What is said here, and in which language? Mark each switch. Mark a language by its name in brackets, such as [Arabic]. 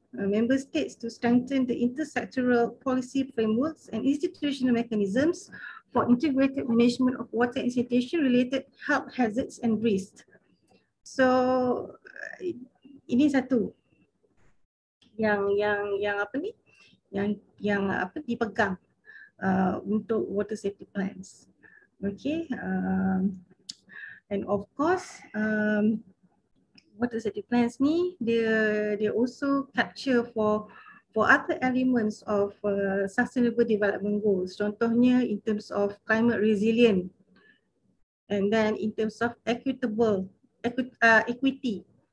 [English] Member states to strengthen the intersectoral policy frameworks and institutional mechanisms for integrated management of water and sanitation related health hazards and risks. [Malay] So ini satu yang dipegang untuk water safety plans. [English] Okay, and of course water safety plans [Malay] ni dia [English] also capture for other elements of sustainable development goals, [Malay] contohnya [English] in terms of climate resilient, and then in terms of equity.